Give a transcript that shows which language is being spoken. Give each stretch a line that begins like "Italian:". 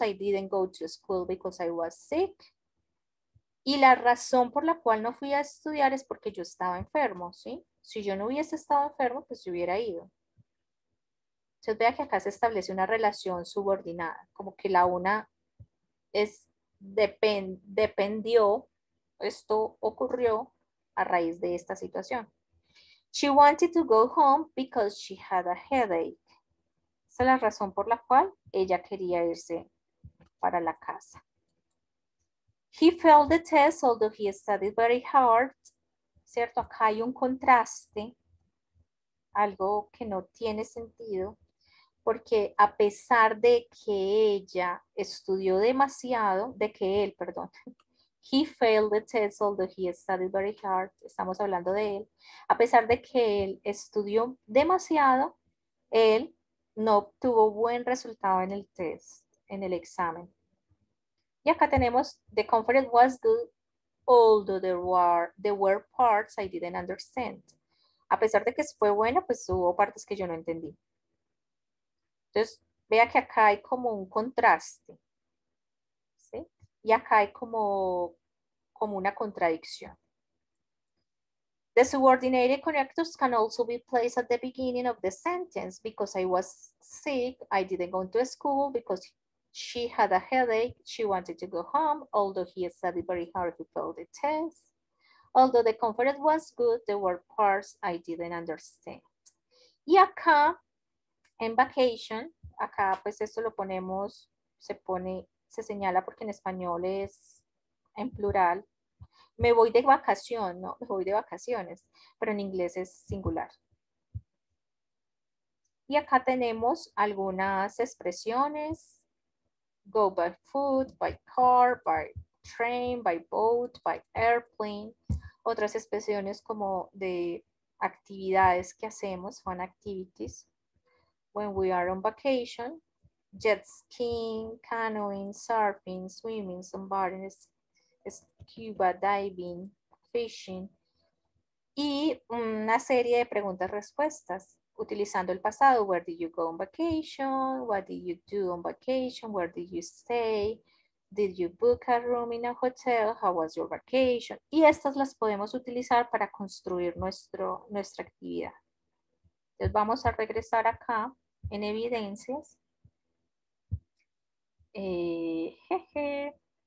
English: I didn't go to school because I was sick.
Spanish: Y la razón por la cual no fui a estudiar es porque yo estaba enfermo, ¿sí? Si yo no hubiese estado enfermo, pues yo hubiera ido. Entonces vea que acá se establece una relación subordinada. Como que la una es dependió, esto ocurrió a raíz de esta situación.
English: She wanted to go home because she had a headache.
Spanish: Esa es la razón por la cual ella quería irse para la casa.
English: He failed the test, although he studied very hard.
Spanish: ¿Cierto? Acá hay un contraste, algo que no tiene sentido, porque a pesar de que ella estudió demasiado,
English: he failed the test, although he studied very hard.
Spanish: Estamos hablando de él. A pesar de que él estudió demasiado, él no obtuvo buen resultado en el test, en el examen. Y acá tenemos,
English: the conference was good, although there were parts I didn't understand.
Spanish: A pesar de que fue buena, pues hubo partes que yo no entendí. Entonces, vea que acá hay como un contraste. ¿Sí? Y acá hay como una contradicción.
English: The subordinated connectors can also be placed at the beginning of the sentence. Because I was sick, I didn't go to school because she had a headache, she wanted to go home, although he studied very hard to fail the test. Although the conference was good, there were parts I didn't understand.
Spanish: Y acá, en vacation, acá pues esto lo ponemos, se señala porque en español es en plural. Me voy de vacación, ¿no? Me voy de vacaciones, pero en inglés es singular. Y acá tenemos algunas expresiones.
English: Go by foot, by car, by train, by boat, by airplane.
Spanish: Otras expresiones como de actividades que hacemos,
English: fun activities. When we are on vacation, jet skiing, canoeing, surfing, swimming, sunbathing, scuba diving, fishing.
Spanish: Y una serie de preguntas respuestas. Utilizando el pasado,
English: where did you go on vacation? What did you do on vacation? Where did you stay? Did you book a room in a hotel? How was your vacation?
Spanish: Y estas las podemos utilizar para construir nuestra actividad. Entonces vamos a regresar acá en evidencias. Jeje.